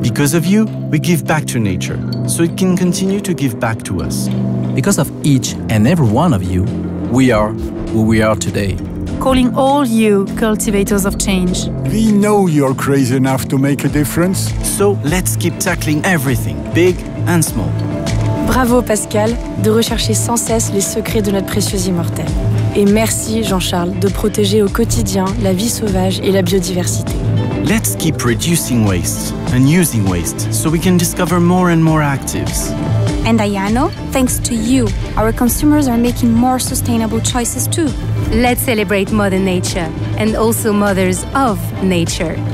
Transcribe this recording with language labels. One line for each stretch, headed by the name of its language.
English: Because of you, we give back to nature, so it can continue to give back to us. Because of each and every one of you, we are who we are today. Calling all you cultivators of change. We know you're crazy enough to make a difference. So let's keep tackling everything, big and small.
French: Bravo Pascal, de rechercher sans cesse les secrets de notre précieuse immortelle. Et merci Jean-Charles, de protéger au quotidien la vie sauvage et la biodiversité.
English: Let's keep reducing waste and using waste so we can discover more and more actives. And Ayano, thanks to you, our consumers are making more sustainable choices too. Let's celebrate Mother Nature and also mothers of nature.